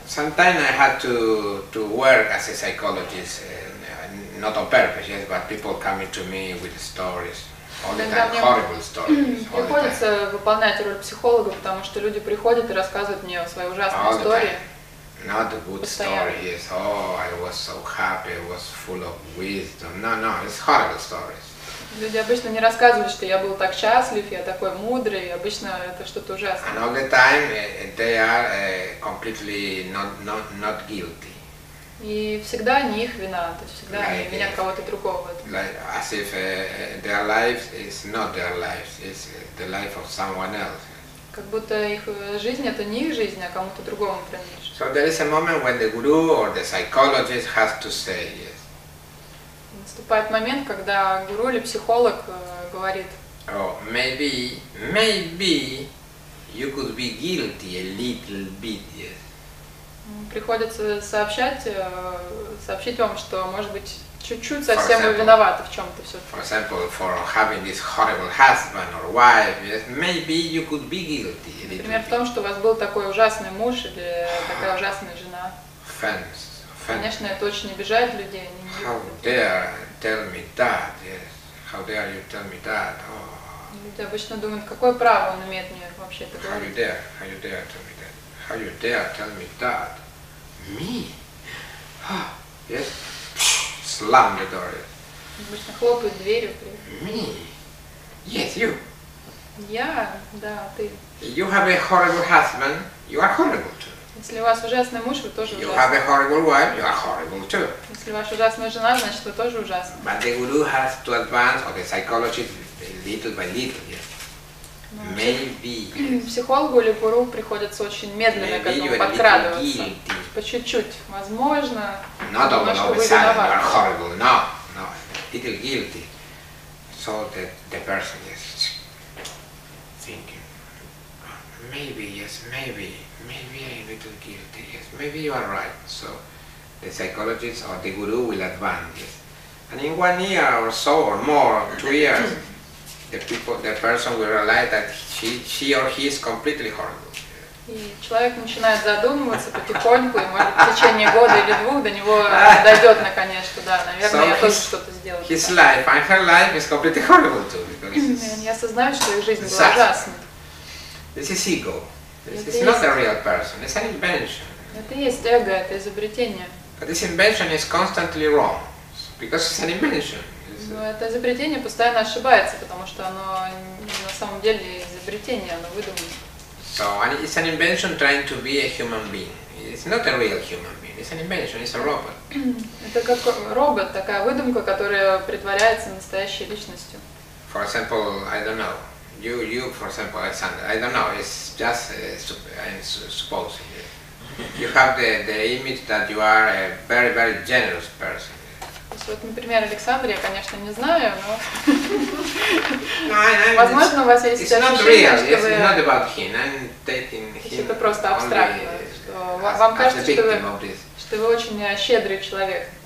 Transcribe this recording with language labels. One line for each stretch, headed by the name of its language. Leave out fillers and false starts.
English: Sometimes I had to work as a psychologist, not on purpose, yes, but people coming to me with stories.
Russian: Мне приходится выполнять роль психолога, потому что люди приходят и рассказывают мне свои ужасные истории.
English: Not a good story. Yes. Oh, I was so happy. I was full of wisdom. No, it's horrible stories.
Russian: Люди обычно не рассказывают, что я был так счастлив, я такой мудрый. Обычно это что-то ужасное.
English: And all the time they are completely not guilty.
Russian: И всегда не их вина, то есть всегда они винят кого-то другого.
English: Like as if their life is not their life, it's the life of someone else.
Russian: Как будто их жизнь это не их жизнь, а кому-то другому принадлежит.
English: So there is a moment when the guru or the psychologist has to say yes.
Russian: Наступает момент, когда гуру или психолог говорит.
English: Oh, maybe you could be guilty a little bit, yes.
Russian: Приходится сообщить вам, что, может быть, чуть-чуть совсем вы виноваты в чем-то все.
English: For example, for having this horrible husband or wife, maybe you could be guilty.
Russian: Например, в том, что у вас был такой ужасный муж или такая ужасная жена.
English: Offense.
Russian: Конечно, это очень обижает людей. Они
English: How dare tell me that? Yes. How dare you tell me that?
Russian: Люди обычно думают, какое право он имеет мне вообще это говорить.
English: How you dare tell me that? How you dare tell me that? Me? Yes? Slam the door.
Russian: Обычно хлопают дверью.
English: Me? Yes, you.
Russian: Я? Да, ты.
English: You have a horrible husband, you are horrible too.
Russian: Если у вас ужасный муж, вы тоже
English: you
Russian: ужасный.
English: You have a horrible wife, you are horrible too.
Russian: Если у вас ужасная жена, значит, вы тоже ужасный.
English: But the guru has to advance, or the psychologist, little by little, yes. Maybe.
Russian: Психологу или гуру приходится очень медленно
English: Maybe
Russian: к этому подкрадываться. По чуть-чуть, возможно.
English: Not
Russian: немножко
English: all of a sudden you are horrible. No, little guilty. So that the person is thinking, maybe a little guilty. Yes, maybe you are right. So the psychologist or the guru will advance. Yes. And in 1 year or so or more, 2 years. The person will realize that she or he is completely horrible.
Russian: И человек начинает задумываться потихоньку, и может в течение года или двух до него дойдет наконец, что да, наверное, я тоже что-то сделал.
English: His life and her life is completely horrible too, because.
Russian: Я осознаю, что их жизнь была ужасна.
English: This is ego. This is not a real person. It's an invention.
Russian: Это есть эго, это изобретение.
English: But this invention is constantly wrong, because it's an invention. It's
Russian: Ну, это изобретение постоянно ошибается, потому что оно не на самом деле изобретение, оно выдумано.
English: So, and it's an invention trying to be a human being. It's not a real human being. It's an invention. It's a robot.
Russian: Это как робот, такая выдумка, которая притворяется настоящей личностью.
English: For example, I don't know. You, for example, Alexander. I don't know. It's just supposing. You have the image that you are a very, very generous person.
Russian: Вот, например, Александр, я, конечно, не знаю, но возможно, у вас есть ощущение, что вы...
English: It's not about him. I'm taking him.
Russian: Это просто абстрактно. Вам кажется, что вы очень щедрый человек.